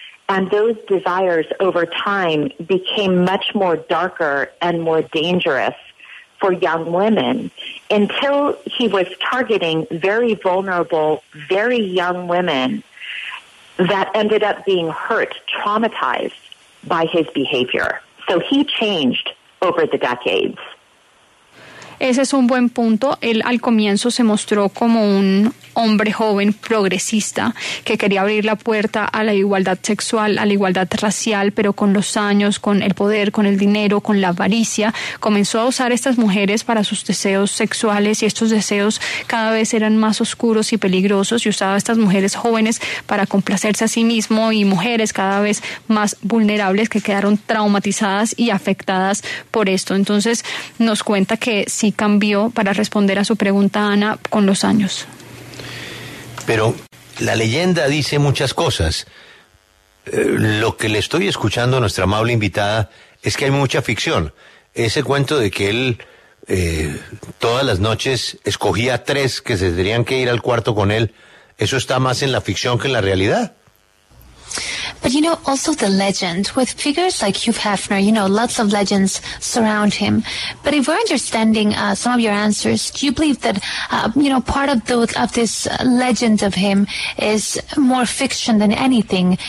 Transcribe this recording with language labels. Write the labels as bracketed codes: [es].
[en] And those desires over time became much more darker and more dangerous for young women until he was targeting very vulnerable, very young women that ended up being hurt, traumatized by his behavior. So he changed over the decades. [es] Ese es un buen punto. Él al comienzo se mostró como un hombre joven progresista que quería abrir la puerta a la igualdad sexual, a la igualdad racial, pero con los años, con el poder, con el dinero, con la avaricia, comenzó a usar a estas mujeres para sus deseos sexuales y estos deseos cada vez eran más oscuros y peligrosos y usaba a estas mujeres jóvenes para complacerse a sí mismo y mujeres cada vez más vulnerables que quedaron traumatizadas y afectadas por esto. Entonces nos cuenta que sí cambió, para responder a su pregunta, Ana, con los años. Pero la leyenda dice muchas cosas. Lo que le estoy escuchando a nuestra amable invitada es que hay mucha ficción. Ese cuento de que él todas las noches escogía tres que se tenían que ir al cuarto con él, eso está más en la ficción que en la realidad. [en] But you know, also the legend, with figures like Hugh Hefner, you know, lots of legends surround him. But if we're understanding some of your answers, do you believe that, you know, part of this legend of him is more fiction than anything?